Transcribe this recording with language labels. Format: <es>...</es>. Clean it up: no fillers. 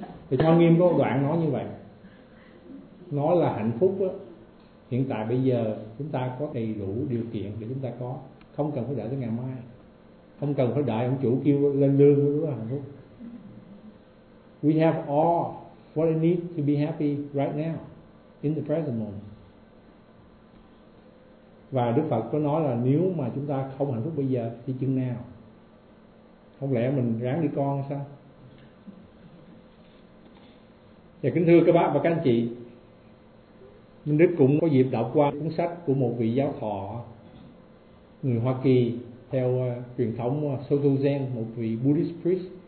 <vi>Thì Hoa Nghiêm có một đoạn nói như vậy, nói là hạnh phúc á, hiện tại bây giờ chúng ta có đầy đủ điều kiện để chúng ta có, không cần phải đợi tới ngày mai, không cần phải đợi ông chủ kêu lên lương mới có hạnh phúc.</vi> <en>We have all what we need to be happy right now, in the present moment.</en> <vi>Và Đức Phật có nói là nếu mà chúng ta không hạnh phúc bây giờ thì chừng nào? Không lẽ mình ráng đi con hay sao? Và kính thưa các bác và các anh chị, Minh Đức cũng có dịp đọc qua cuốn sách của một vị giáo thọ người Hoa Kỳ theo truyền thống Soto Zen, một vị</vi> <en>Buddhist priest.</en>